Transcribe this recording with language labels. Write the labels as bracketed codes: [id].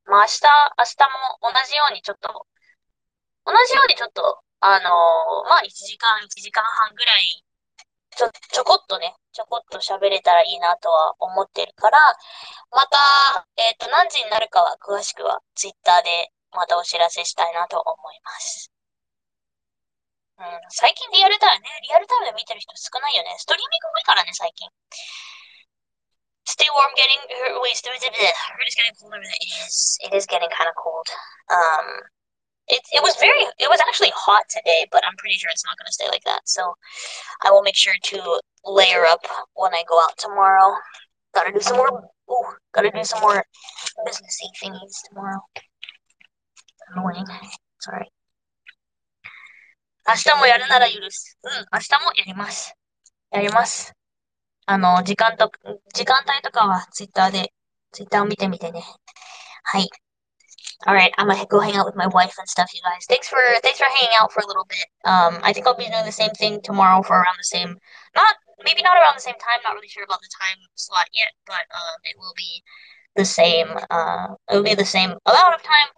[ja] まあ明日も同じようにちょっと、同じようにちょっと、まあ1時間半ぐらい、ちょこっと喋れたらいいなとは思ってるから、また、何時になるかは詳しくは、ツイッターでまたお知らせしたいなと思います。うん、最近リアルタイムね、リアルタイムで見てる人少ないよね。ストリーミング多いからね、最近。 [en] Stay warm, getting, wait, stay warm, it's getting colder than it is getting kind of cold. It was actually hot today, but I'm pretty sure it's not going to stay like that. So I will make sure to layer up when I go out tomorrow. Gotta do some more businessy thingies tomorrow. Annoying. Sorry. [ja] 明日もやるなら許す。うん、明日もやります。やります。時間帯とかはツイッターを見てみてね。はい。 [en] Alright, I'm gonna go hang out with my wife and stuff, you guys. Thanks for hanging out for a little bit. I think I'll be doing the same thing tomorrow for around the same, not maybe not around the same time, not really sure about the time slot yet, but it will be the same it'll be the same amount of time.